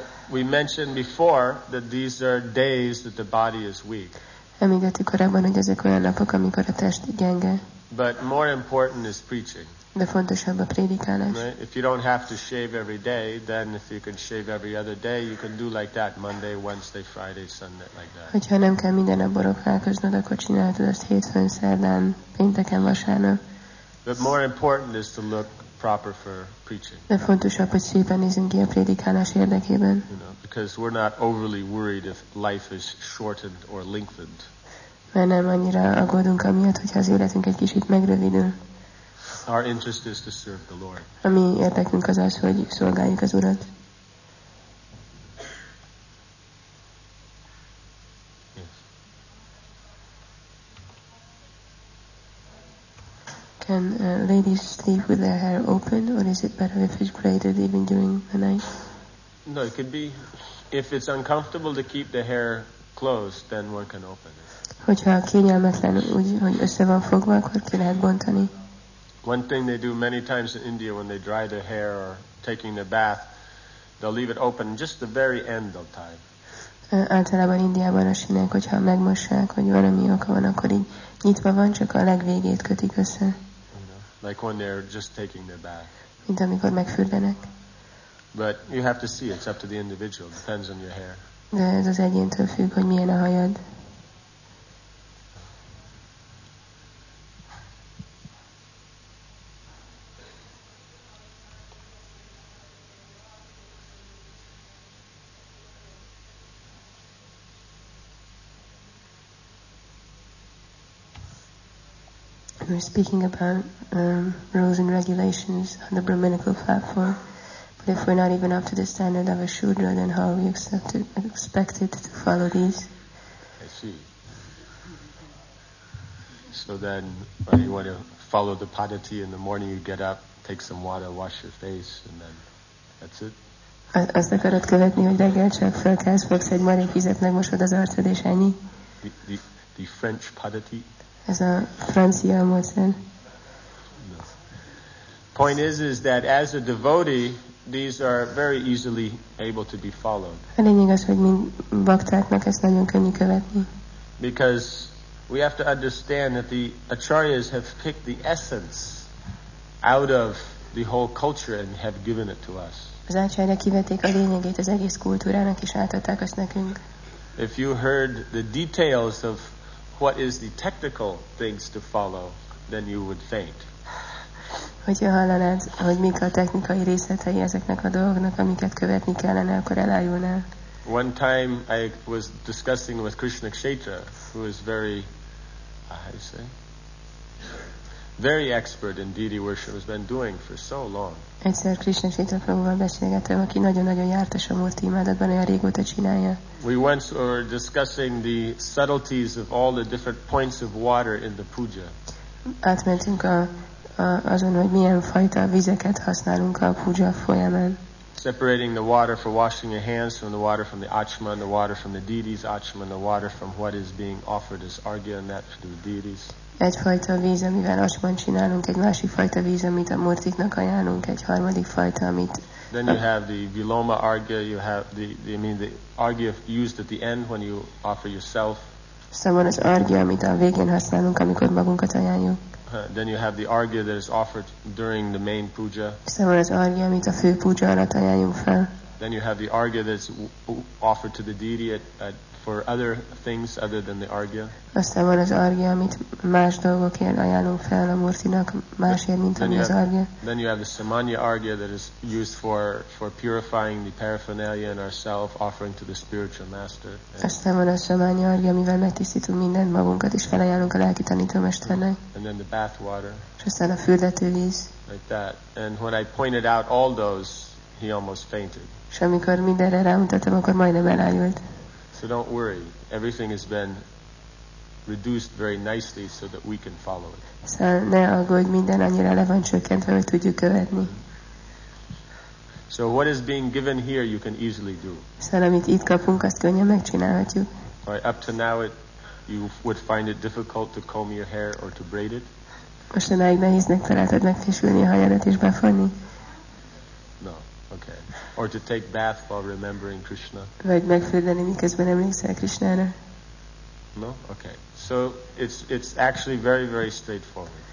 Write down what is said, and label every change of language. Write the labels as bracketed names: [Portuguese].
[English] We mentioned before that these are days that the body is weak. [Hungarian] Említettük korábban, hogy ezek olyan napok, amikor a test gyenge. [English] But more important is preaching. [Hungarian] De fontosabb a prédikálás. [English] Right? If you don't have to shave every day, then if you can shave every other day, you can do like that Monday, Wednesday, Friday, Sunday like that. [Hungarian] Hogyha nem kell minden nap borotválkoznod, akkor csinálhatod azt hétfőn, szerdán, pénteken, vasárnap. [English] But more important is to look proper for preaching. [Hungarian] De fontosabb, hogy szépen nézünk ki a prédikálás érdekében. [English] You know, because we're not overly worried if life is shortened or lengthened. [Hungarian] Mert nem annyira aggódunk amiatt, hogyha az életünk egy kicsit megrövidül. [English] Our interest is to serve the Lord. [Hungarian] A mi érdekünk az az, hogy szolgáljuk az Urat. [English] Can ladies sleep with their hair open, or is it better if it's braided even during the night? No, it could be. If it's uncomfortable to keep the hair closed, then one can open it. [Hungarian] Hogyha kényelmetlen, úgy, hogy össze van fogva, akkor ki lehet bontani. [English] One thing they do many times in India when they dry their hair or taking their bath, they'll leave it open just the very end of time. [Hungarian] Általában Indiában a sínek, hogyha megmossák, hogy valami oka van, akkor így nyitva van, csak a legvégét kötik össze. [English] Like when they're just taking their bath. [Hungarian] Mint amikor megfürdenek. [English] But you have to see, it's up to the individual, depends on your hair. [Hungarian] De ez az egyéntől függ, hogy milyen a hajad. [English] We're speaking about rules and regulations on the Brahminical platform, but if we're not even up to the standard of a Shudra, then how are we expected to follow these? I see. So then, well, you want to follow the padati in the morning, you get up, take some water, wash your face, and then that's it? [Hungarian] Azt akarod követni, hogy reggel csak felkelsz, fogsz egy maradék vizet, megmosod az arcod, és ennyi? [English] The French padati? [Hungarian] Ez a francia módszer. [English] Point is that as a devotee, these are very easily able to be followed. [Hungarian] A lényeg az, hogy mint baktáknak ezt nagyon könnyű követni. [English] Because we have to understand that the acharyas have picked the essence out of the whole culture and have given it to us. [Hungarian] Az acharya kivették a lényegét az egész kultúrának és átadták azt nekünk. [English] If you heard the details of what is the technical things to follow, then you would faint. [Hungarian] Hogyha hallanád, hogy mik a technikai részletei ezeknek a dolgoknak, amiket követni kellene, akkor elájulnál. [English] One time I was discussing with Krishna Kshetra, who is very, how do you say, very expert in deity worship, has been doing for so long. [Hungarian] Egyszer Krishna Kshetra Prabhuval beszélgettem, aki nagyon-nagyon jártas a múlti imádatban, olyan régóta csinálja. [English] We once were discussing the subtleties of all the different points of water in the puja. [Hungarian] Átmentünk azon, hogy milyen fajta vizeket használunk a puja folyamán. [English] Separating the water for washing your hands from the water from the achma and the water from the deities achma and the water from what is being offered as argya and that to the deities. [Hungarian] Egyfajta víz, amivel asban csinálunk, egy másik fajta víz, amit a murtiknak ajánlunk, egy harmadik fajta, amit... [English] Then you have the viloma argya, you have the argya used at the end when you offer yourself. [Hungarian] Szóval az argya, amit a végén használunk, amikor magunkat ajánljuk. [English] Then you have the argya that is offered during the main puja. [Hungarian] Szóval az argya, amit a fő puja alatt ajánljunk fel. [English] Then you have the argya that's offered to the deity for other things other than the argya. [Hungarian] Aztán van az argya, amit más dolgokért ajánlunk fel a murtinak, másért, mint ami az argya. [English] Then you have the samanya argya that is used for purifying the paraphernalia in ourself, offering to the spiritual master. [Hungarian] Aztán van a samanya argya, amivel megtisztítunk mindent magunkat, és felajánlunk a lelki tanítómesternek. [English] And then the bath water. [Hungarian] És aztán a fürdetővíz. [English] Like that. And when I pointed out all those, he almost fainted. [Hungarian] És amikor mindenre rámutattam, akkor majdnem elájult. [English] So don't worry. Everything has been reduced very nicely so that we can follow it. [Hungarian] Szóval ne aggódj, minden annyira le van csökkentve, hogy tudjuk követni. [English] So what is being given here you can easily do. [Hungarian] Szóval amit itt kapunk, azt könnyen megcsinálhatjuk. [English] Right, up to now it, you would find it difficult to comb your hair or to braid it. [Hungarian] Mostanáig nehéznek találtad megfésülni a hajadat és befonni. [English] No, okay. Or to take bath while remembering Krishna. [Hungarian] Vagy megfürdeni, miközben emlékszel Krishnára. [English] No, okay. So it's actually very, very straightforward.